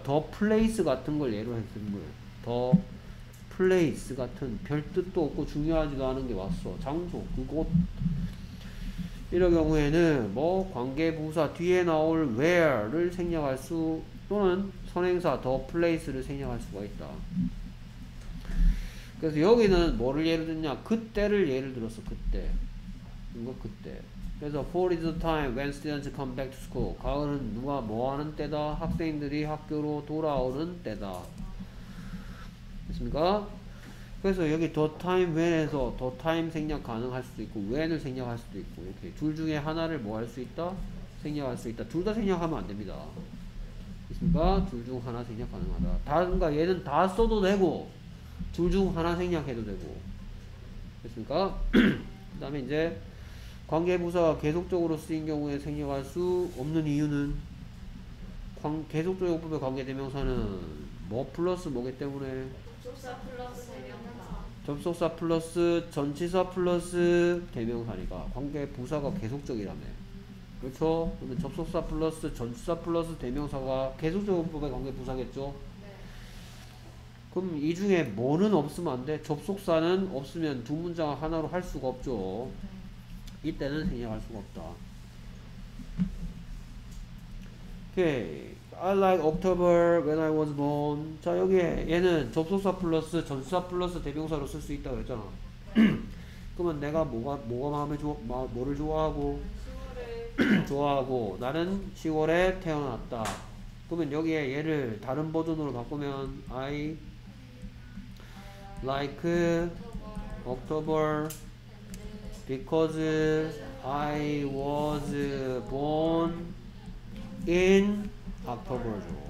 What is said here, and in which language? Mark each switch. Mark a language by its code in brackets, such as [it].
[ko] The place 같은 걸 예로 했던 거예요. The place 같은 별 뜻도 없고 중요하지도 않은 게 왔어. 장소, 그곳. 이런 경우에는 뭐 관계부사 뒤에 나올 where를 생략할 수 또는 선행사 the place를 생략할 수가 있다. 그래서 여기는 뭐를 예를 들냐? 그때를 예를 들었어. 그때. 이거 그때. 그래서 [en] fall is the time when students come back to school. [ko] 가을은 누가 뭐 하는 때다? 학생들이 학교로 돌아오는 때다. 됐습니까? 그래서 여기 the time when에서 the time 생략 가능할 수도 있고 when을 생략할 수도 있고 이렇게 둘 중에 하나를 뭐 할 수 있다? 생략할 수 있다. 둘 다 생략하면 안 됩니다. 됐습니까? 둘 중 하나 생략 가능하다. 다 그러니까 얘는 다 써도 되고 둘 중 하나 생략해도 되고. 됐습니까? 그 다음에 이제 관계부사가 계속적으로 쓰인 경우에 생략할 수 없는 이유는 계속적 용법의 관계대명사는 뭐 플러스 뭐기 때문에 접속사 플러스 대명사 접속사 플러스 전치사 플러스 대명사니까 관계 부사가 계속적이라며. 그렇죠? 근데 접속사 플러스 전치사 플러스 대명사가 계속적인 부분에 관계 부사겠죠? 그럼 이 중에 뭐는 없으면 안 돼? 접속사는 없으면 두 문장을 하나로 할 수가 없죠. 이때는 생략할 수가 없다. [en] Okay. I like October when I was born. [ko] 자, 여기에 얘는 접속사 플러스 전치사 플러스 대명사로 쓸 수 있다고 했잖아. 그러면 내가 뭐가 마음에 뭐를 좋아하고? 좋아하고 나는 10월에 태어났다. 그러면 여기에 얘를 다른 버전으로 바꾸면 [en] I like October because I was born in October [ko] 죠.